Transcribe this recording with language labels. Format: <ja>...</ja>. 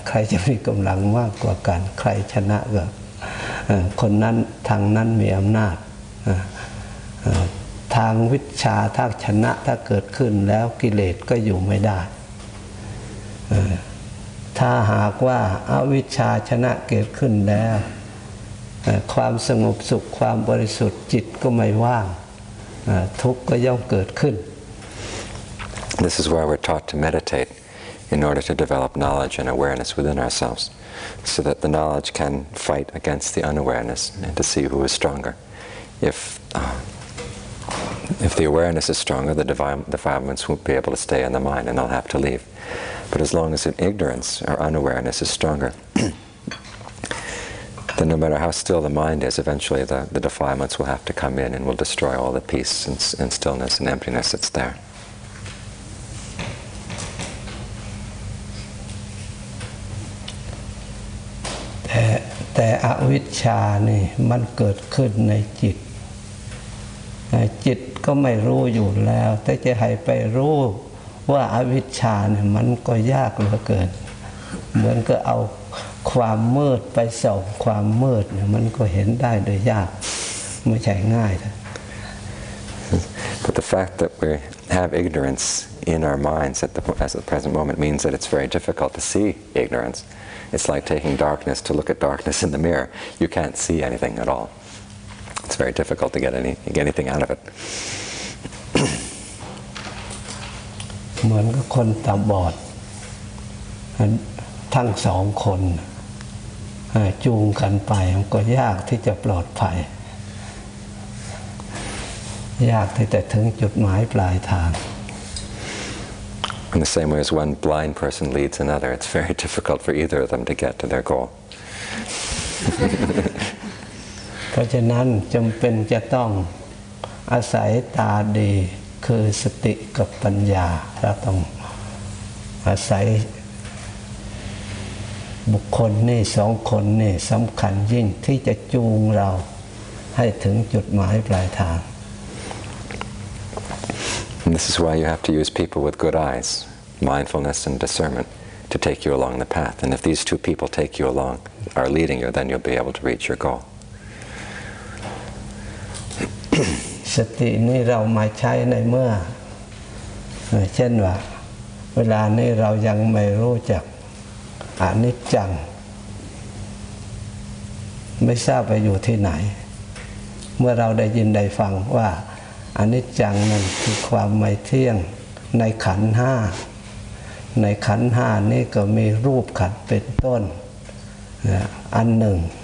<th>เพราะฉะนั้นพระพุทธเจ้าจึงสอนให้เราอบรมจิตของเราให้มีวิชชาคือเป็นคู่กับอวิชชาจะได้แข่งกันใครจะมีกำลังมากกว่ากันใครชนะก็ คนนั้นทางนั้นมีอำนาจทางวิชชาถ้าชนะถ้าเกิดขึ้นแล้วกิเลสก็อยู่ไม่ได้ถ้าหากว่าอวิชชาชนะเกิดขึ้นแล้วความสงบสุขความบริสุทธิ์จิตก็ไม่ว่างทุกข์ก็ย่อมเกิดขึ้น</th> <en>This is why we're taught to meditate in order to develop knowledge and awareness within ourselves, so that the knowledge can fight against the unawareness and to see who is stronger. If If the awareness is stronger, the defilements won't be able to stay in the mind and they'll have to leave. But as long as ignorance or unawareness is stronger, then no matter how still the mind is, eventually the defilements will have to come in and will destroy all the peace and stillness and emptiness that's there.</en> <th>แต่อวิชชานี่มันเกิดขึ้นในจิตจิตก็ไม่รู้อยู่แล้วแต่จะให้ไปรู้ว่าอวิชชาเนี่ยมันก็ยากเหลือเกินเหมือนก็เอาความมืดไปส่องความมืดเนี่ยมันก็เห็นได้โดยยากไม่ใช่ง่ายนะ</th> <en>But the fact that we have ignorance in our minds at the present moment means that it's very difficult to see ignorance. It's like taking darkness to look at darkness in the mirror. You can't see anything at all. It's very difficult to get anything out of it.</en> <th>เหมือนกับคนตาบอดทั้งสองคนจูงกันไปมันก็ยากที่จะปลอดภัยยากที่จะถึงจุดหมายปลายทาง</th> <en>In the same way as one blind person leads another, it's very difficult for either of them to get to their goal.</en> <th>เพราะฉะนั้นจำเป็นจะต้องอาศัยตาดีคือสติกับปัญญาเราต้องอาศัยบุคคลนี่สองคนนี่สำคัญยิ่งที่จะจูงเราให้ถึงจุดหมายปลายทาง</th> <en>And this is why you have to use people with good eyes, mindfulness and discernment, to take you along the path. And if these two people take you along, are leading you, then you'll be able to reach your goal.</en> <th>สตินี่เรามาใช้ในเมื่อเช่นว่าเวลานี้เรายังไม่รู้จักอนิจจังไม่ทราบไปอยู่ที่ไหนเมื่อเราได้ยินได้ฟังว่าอนิจจังนั่นคือความไม่เที่ยงในขันธ์ห้าในขันธ์ห้านี่ก็มีรูปขันธ์เป็นต้นอันหนึ่ง</th>